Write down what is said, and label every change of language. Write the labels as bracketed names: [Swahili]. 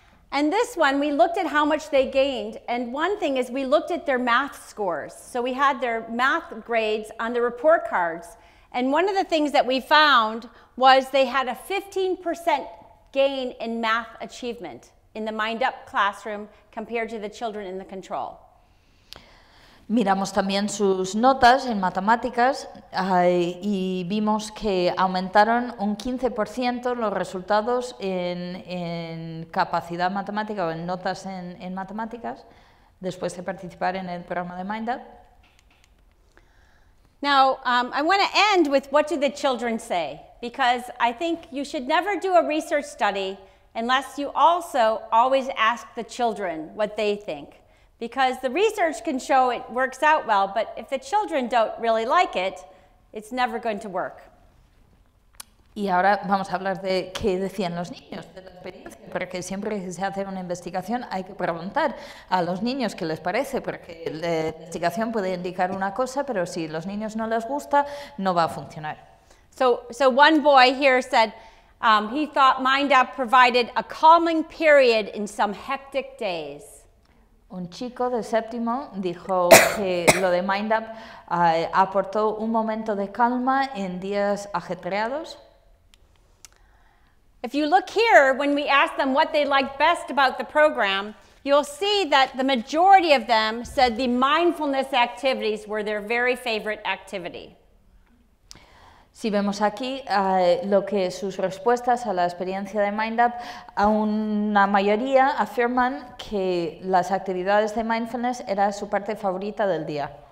[English] And this one, we looked at how much they gained, and one thing is we looked at their math scores. So we had their math grades on the report cards, and one of the things that we found was they had a 15% gain in math achievement in the MindUp classroom compared to the children in the control. [Spanish] Miramos también sus notas en matemáticas y vimos que aumentaron un 15% los resultados en capacidad matemática o en notas en matemáticas después de participar en el programa de MindUp. [English] Now, I want to end with what do the children say, because I think you should never do a research study unless you also always ask the children what they think. Because the research can show it works out well, but if the children don't really like it, it's never going to work. [Spanish] Y ahora vamos a hablar de qué decían los niños, de la experiencia, porque siempre que se hace una investigación hay que preguntar a los niños qué les parece, porque la investigación puede indicar una cosa, pero si los niños no les gusta, no va a funcionar. [English] So one boy here said he thought MindUp provided a calming period in some hectic days. [Spanish] Un chico de séptimo dijo que lo de MindUp aportó un momento de calma en días ajetreados. [English] If you look here, when we ask them what they liked best about the program, you'll see that the majority of them said the mindfulness activities were their very favorite activity. [Spanish] Si vemos aquí lo que sus respuestas a la experiencia de MindUp, a una mayoría afirman que las actividades de mindfulness era su parte favorita del día.